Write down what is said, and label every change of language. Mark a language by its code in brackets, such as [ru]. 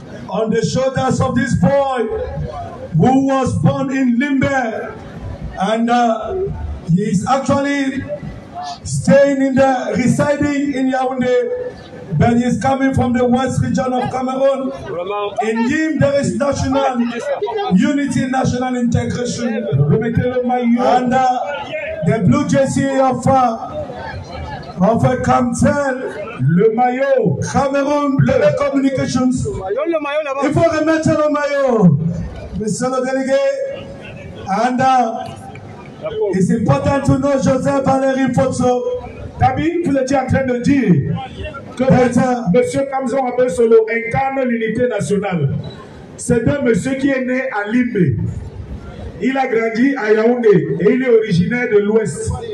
[en] On the shoulders of this boy who was born in Limbe, and he is actually staying in the residing in Yaoundé, but he is coming from the west region of Cameroon. In him there is national unity, national integration, and the blue jersey of Camtel, [fr] le maillot Cameroun Telecommunications. Il faut remettre le maillot, monsieur le délégué. [en] And it's important to know Joseph Valéry Fotso. [fr] Tabi, vous étiez en train de dire que monsieur Kamzon Apesolo incarne l'unité nationale. C'est un monsieur qui est né à Limbe. Il a grandi à Yaoundé et il est originaire de l'Ouest.